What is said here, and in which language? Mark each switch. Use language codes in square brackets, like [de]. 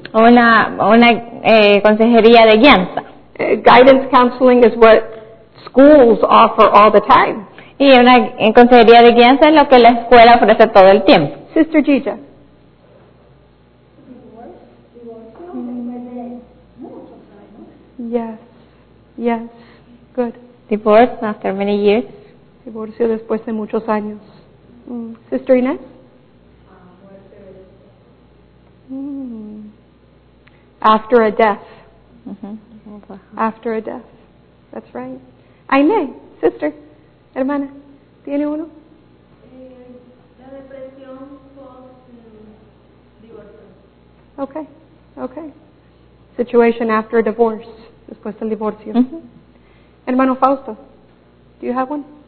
[es] Una consejería de guianza. [en] Guidance counseling is what schools offer all the time. [es] Y una consejería de guianza es lo que la escuela ofrece todo el tiempo. [en] Sister Gija. Yes. Good. Divorce after many years. [es] Divorcio después de muchos años. [en] Sister Inés. After a death. Mm-hmm. After a death. That's right. [es] Aine, sister, hermana, ¿tiene uno? La depresión post-divorcio. [en] Okay. Situation after a divorce. [es] Después del divorcio. Mm-hmm. [en] Hermano Fausto, do you have one?